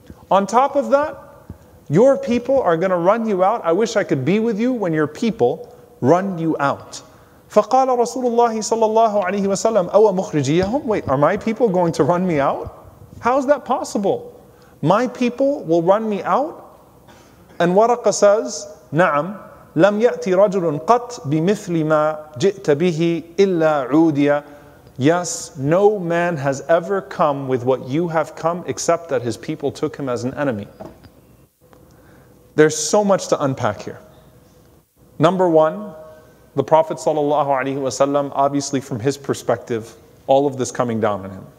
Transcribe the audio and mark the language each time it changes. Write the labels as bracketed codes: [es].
[en] On top of that, your people are gonna run you out. I wish I could be with you when your people run you out. [ar] فَقَالَ رَسُولُ اللَّهِ صَلَّى اللَّهُ عَلَيْهِ وَسَلَّمُ أَوَ مُخْرِجِيَهُمْ. [en] Wait, are my people going to run me out? How is that possible? My people will run me out? And Waraqa says, [ar] نعم لم يأتي رجل قط بمثل ما جئت به إلا عوديا. [en] Yes, no man has ever come with what you have come except that his people took him as an enemy. There's so much to unpack here. Number one, the Prophet sallallahu alaihi wasallam, obviously from his perspective, all of this coming down on him.